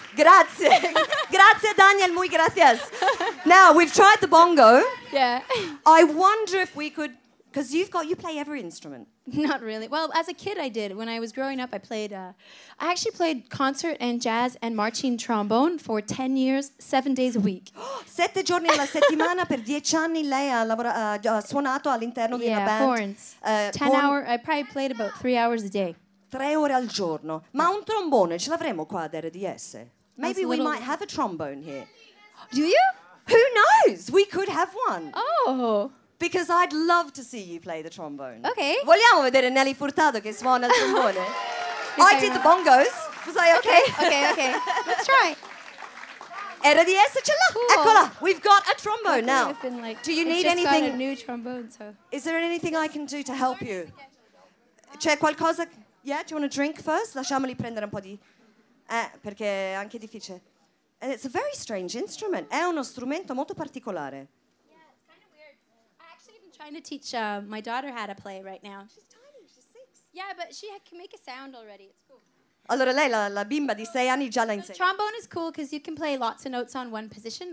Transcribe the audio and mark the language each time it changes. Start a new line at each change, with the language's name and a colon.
Italian: Grazie. Grazie,
English: Daniel.
Spanish: Muy gracias.
English: Now, we've tried the bongo. Yeah. I wonder if we could, because you play every instrument. Not really. Well, as a kid, I did. When I was growing up, I played, I actually played concert and jazz and marching trombone for 10 years, 7 days a week.
Italian: 7 giorni alla settimana, per 10 anni lei ha suonato all'interno di una band.
English: Yeah, horns. 10 hours, I probably played about 3 hours a day.
Italian: 3 ore al giorno. Ma un trombone ce l'avremo qua ad RDS?
English: Maybe we might have a trombone here. Do you? Who knows? We could have one. Oh. Because I'd love to see you play the trombone. Okay.
Italian: Vogliamo vedere Nelly Furtado che suona il trombone?
English: I did the bongos. Was I okay? Okay. Let's try.
Italian: RDS ce l'ha.
English: Cool.
Italian: Eccola.
English: We've got a trombone now. Do you need anything? I just got a new trombone, so. Is there anything I can do to help you?
Italian: C'è qualcosa?
English: Yeah, do you want a drink first?
Italian: Lasciamoli prendere un po' di... perché è anche difficile.
English: And it's a very strange instrument.
Italian: È uno strumento molto particolare.
English: Yeah, it's kind of weird. I actually been trying to teach my daughter how to play right now. She's tiny, she's six. Yeah, but she can make a sound already. It's cool.
Italian: Allora lei, la bimba di sei anni, già la insegna.
English: Trombone is cool because you can play lots of notes on one position.